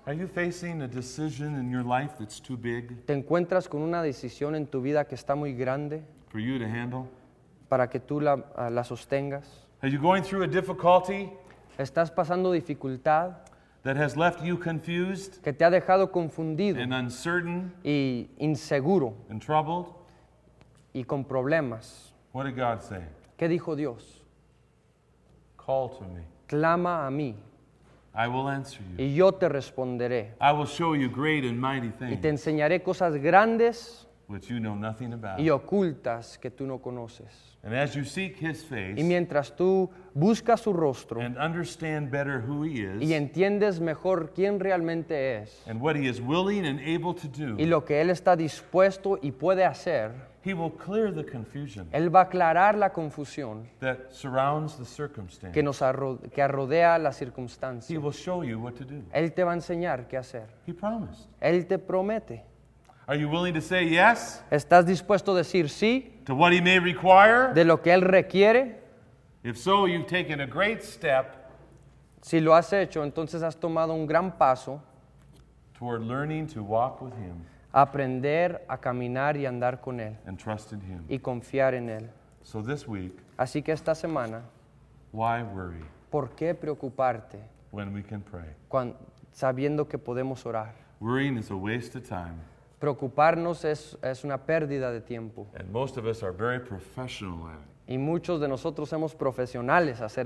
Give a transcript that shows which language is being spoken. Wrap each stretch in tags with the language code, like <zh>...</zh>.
<en>Are you facing a decision in your life that's too big?</en> <es>¿Te encuentras con una decisión en tu vida que está muy grande?</es> <en>For you to handle?</en> <es>Para que tú la sostengas.</es> <en>Are you going through a difficulty?</en> <es>¿Estás pasando dificultad?</es> <en>That has left you confused?</en> <es>Que te ha dejado confundido.</es> <en>And uncertain?</en> <es>Y inseguro.</es> <en>And troubled?</en> <es>Y con problemas.</es> <en>What did God say?</en> <es>¿Qué dijo Dios?</es> <en>Call to me.</en> <es>Clama a mí.</es> <en>I will answer you.</en> <es>Y yo te responderé.</es> <en>I will show you great and mighty things.</en> <es>Y te enseñaré cosas grandes.</es> <en>Which you know nothing about.</en> <es>Y ocultas que tú no conoces.</es> <en>And as you seek his face.</en> <es>Y mientras tú buscas su rostro.</es> <en>And understand better who he is.</en> <es>Y entiendes mejor quién realmente es.</es> <en>And what he is willing and able to do.</en> <es>Y lo que él está dispuesto y puede hacer.</es> <en>He will clear the confusion.</en> <es>Él va a aclarar la confusión.</es> <en>That surrounds the circumstance.</en> <es>Que nos que rodea la circunstancia.</es> <en>He will show you what to do.</en> <es>Él te va a enseñar qué hacer.</es> <en>He promised.</en> <es>Él te promete.</es> <en>Are you willing to say yes?</en> <es>¿Estás dispuesto a decir sí?</es> <en>To what he may require?</en> <es>De lo que él requiere?</es> <en>If so, you've taken a great step.</en> <es>Si lo has hecho, entonces has tomado un gran paso</es> <en>toward learning to walk with him.</en> <es>Aprender a caminar y andar con él.</es> <en>And trust in him.</en> <es>Y confiar en él.</es> <en>So this week,</en> <es>así que esta semana,</es> <en>why worry?</en> <es>¿Por qué preocuparte?</es> <en>When we can pray.</en> <es>Sabiendo que podemos orar.</es> <en>Worrying is a waste of time.</en> <es>Preocuparnos es una pérdida de tiempo.</es> <en>And most of us are very professional at it.</en> <es>Y muchos de nosotros somos profesionales a hacer</es>